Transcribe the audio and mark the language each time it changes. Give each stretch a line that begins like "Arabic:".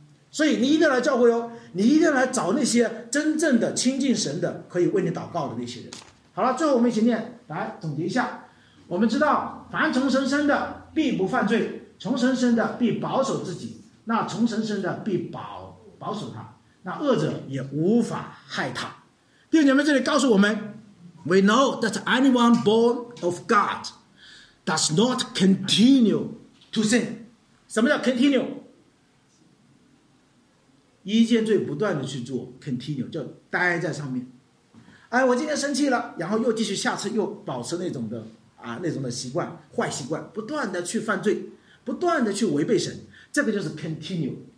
Chinese: 所以你一定要来教会哦，你一定要来找那些真正的亲近神的可以为你祷告的那些人。好了，最后我们一起念来总结一下。我们知道，凡从神生的必不犯罪，从神生的必保守自己，那从神生的必保守他，那恶者也无法害他。弟兄姐妹，这里告诉我们，
English: We know that anyone born of God does not continue to sin。
Chinese: 什么叫 continue？一件罪不断的去做， continue 叫待在上面。哎，我今天生气了，然后又继续下次又保持那种的啊，那种的习惯，坏习惯，不断的去犯罪，不断的去违背神，这个就是 continue。